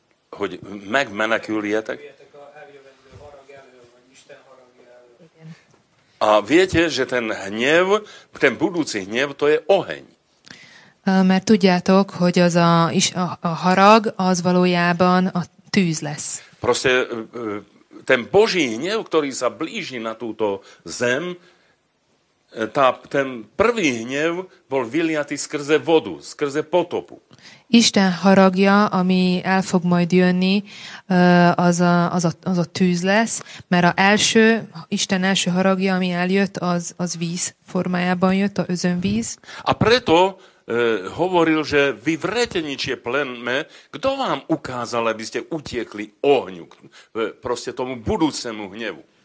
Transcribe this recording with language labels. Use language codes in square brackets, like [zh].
[hu] Hogy megmeneküljetek. [sk] A viete, že ten hnev, ten budúci hnev, to je oheň. [hu] Mert tudjátok, hogy az a harag, az valójában a tűz lesz. [sk] Proste, ten Boží hnev, ktorý sa blíži na túto zem, ten prvý hnev bol vyliatý skrze vodu, skrze potopu. [hu] Isten haragja, ami el fog majd jönni, az a tűz lesz, mert a első, Isten első haragja, ami eljött, az víz formájában jött, a özönvíz. [sk] A preto hovoril, že vy vreteničie pleme, kto vám ukázal, aby ste utiekli ohňu, proste tomu budúcemu hnevu?